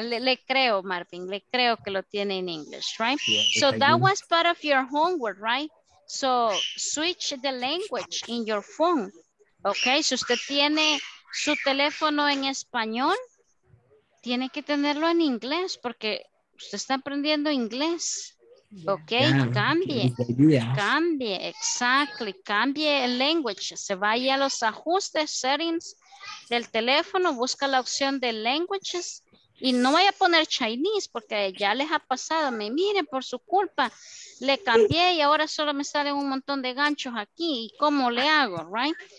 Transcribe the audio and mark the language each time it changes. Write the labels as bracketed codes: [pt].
[es] Le creo, Marvin, le creo que lo tiene en English, right? [en] Yeah, so that was part of your homework, right? So switch the language in your phone, okay? [es] Si usted tiene su teléfono en español, tiene que tenerlo en inglés porque usted está aprendiendo inglés, yeah. Ok, yeah, cambie, cambie, exactly, cambie el language, se vaya a los ajustes, settings del teléfono, busca la opción de languages y no vaya a poner Chinese porque ya les ha pasado, me mire por su culpa, le cambié y ahora solo me salen un montón de ganchos aquí, ¿y cómo le hago, right?